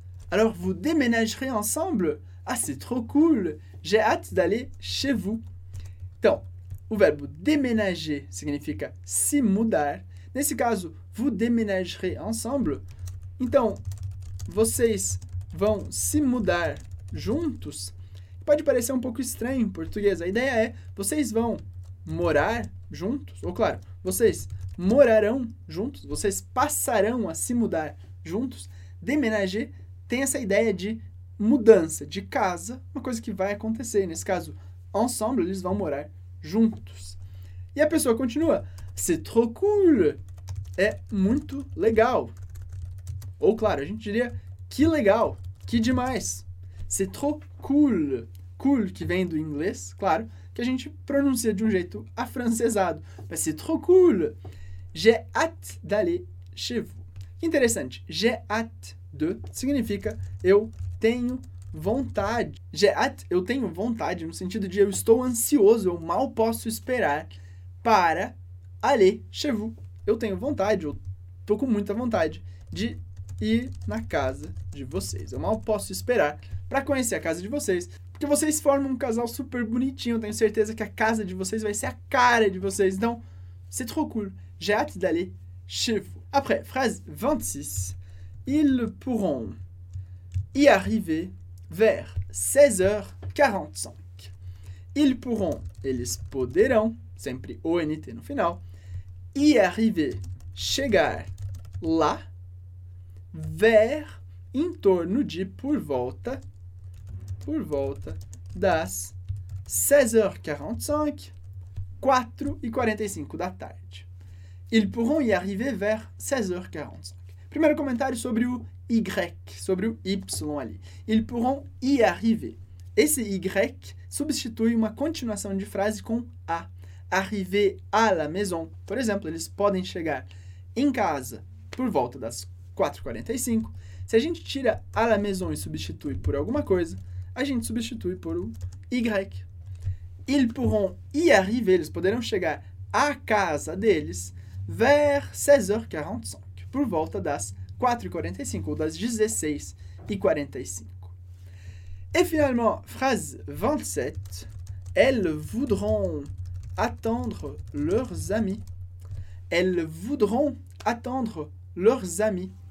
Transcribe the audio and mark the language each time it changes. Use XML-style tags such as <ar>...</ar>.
<fr>Alors, vous déménagerez ensemble? Ah, c'est trop cool! J'ai hâte d'aller chez vous.</fr> <pt>Então, o verbo déménager significa se mudar. Nesse caso,</pt> <fr>vous déménagerez ensemble.</fr> <pt>Então, vocês vão se mudar juntos. Pode parecer um pouco estranho em português. A ideia é, vocês vão morar juntos. Ou, claro, vocês morarão juntos. Vocês passarão a se mudar juntos. Déménager tem essa ideia de mudança, de casa. Uma coisa que vai acontecer. Nesse caso, ensemble, eles vão morar juntos. E a pessoa continua.</pt> <fr>C'est trop cool.</fr> <pt>É muito legal. Ou, claro, a gente diria, que legal, que demais.</pt> <fr>C'est trop cool.</fr> <pt>Cool, que vem do inglês, claro, que a gente pronuncia de um jeito afrancesado.</pt> <fr>Mas c'est trop cool. J'ai hâte d'aller chez vous.</fr> <pt>Que interessante.</pt> <fr>J'ai hâte de</fr> <pt>significa eu tenho vontade.</pt> <fr>J'ai hâte,</fr> <pt>eu tenho vontade, no sentido de eu estou ansioso, eu mal posso esperar para</pt> <fr>aller chez vous.</fr> <pt>Eu tenho vontade, eu tô com muita vontade de ir na casa de vocês. Eu mal posso esperar para conhecer a casa de vocês, porque vocês formam um casal super bonitinho. Eu tenho certeza que a casa de vocês vai ser a cara de vocês.</pt> <fr>Então, c'est trop cool. J'ai hâte d'aller chez vous. Après, phrase 26. Ils pourront y arriver vers 16h45. Ils pourront,</fr> <pt>eles poderão, sempre ONT no final,</pt> <fr>y arriver,</fr> <pt>chegar lá,</pt> <fr>vers,</fr> <pt>em torno de, por volta das 16h45, 4h45 da tarde.</pt> <fr>Ils pourront y arriver vers 16h45.</fr> <pt>Primeiro comentário sobre o Y, sobre o Y ali.</pt> <fr>Ils pourront y arriver.</fr> <pt>Esse Y substitui uma continuação de frase com A.</pt> <fr>Arriver à la maison.</fr> <pt>Por exemplo, eles podem chegar em casa por volta das 4h45. Se a gente tira</pt> <fr>à la maison</fr> <pt>e substitui por alguma coisa, a gente substitui por o Y.</pt> <fr>Ils pourront y arriver.</fr> <pt>Eles poderão chegar à casa deles</pt> <fr>vers 16h45,</fr> <pt>por volta das 4h45, ou das 16h45.</pt> <fr>Et finalement, phrase 27. Elles voudront attendre leurs amis. Elles voudront attendre leurs amis.</fr>